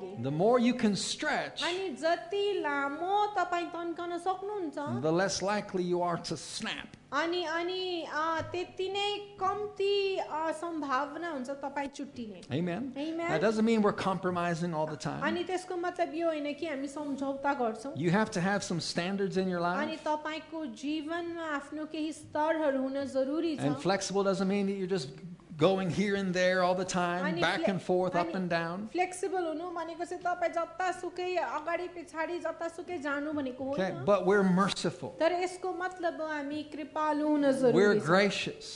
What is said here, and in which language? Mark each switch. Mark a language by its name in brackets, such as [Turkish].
[English] The more you can stretch, the less likely you are to snap. [Nepali] अनि अनि त्यति नै कम्ती सम्भावना हुन्छ तपाई छुट्टिने [English] Amen. That doesn't mean we're compromising all the time. [Nepali] अनि त्यसको मतलब यो हैन कि हामी सम्झौता गर्छौं. [English] You have to have some standards in your life. [Nepali] अनि तपाईको जीवनमा आफ्नो केही स्तरहरू हुन जरुरी छ. [English] And flexible doesn't mean that you're just going here and there all the time, back and forth, up and down. Flexible, okay, but we're merciful. We're gracious.